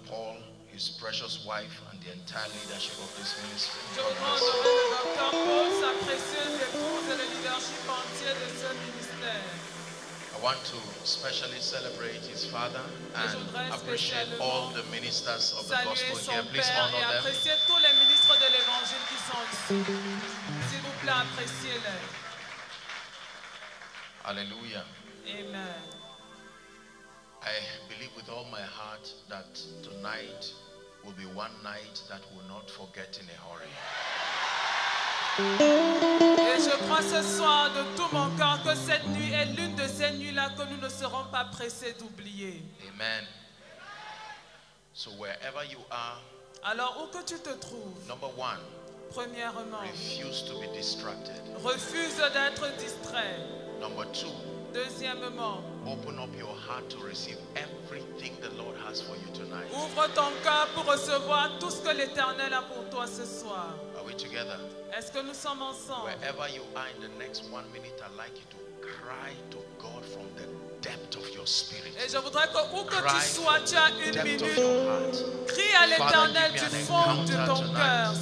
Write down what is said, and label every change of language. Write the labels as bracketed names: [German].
[English] Paul, his precious wife, and the entire leadership of this ministry. I want to especially celebrate his father and appreciate all the ministers of the gospel here. Please honor them. [French] Appréciez tous les ministres de l'évangile qui sont ici. S'il vous plaît, appréciez-les. Hallelujah. Amen. [English] I believe with all my heart that tonight will be one night that will not forget in a hurry. [French] Et je crois ce soir de tout mon cœur que cette nuit est l'une de ces nuits-là que nous ne serons pas pressés d'oublier. [English] Amen. So wherever you are, [French] alors où que tu te trouves, [English] number one, [French] premièrement, [English] refuse to be distracted. [French] Refuse d'être distrait. [English] Number two, [French] deuxièmement, [English] open up your heart to receive everything the Lord has for you tonight. [French] Ouvre ton cœur pour recevoir tout ce que l'Éternel a pour toi ce soir. [English] Are we together? [French] Est-ce que nous sommes ensemble? [English] Wherever you are in the next 1 minute, I'd like you to cry to God from the depth of your spirit. [French] Et je voudrais que où que tu sois, tu as une minute. Crie à l'Éternel du fond de ton cœur.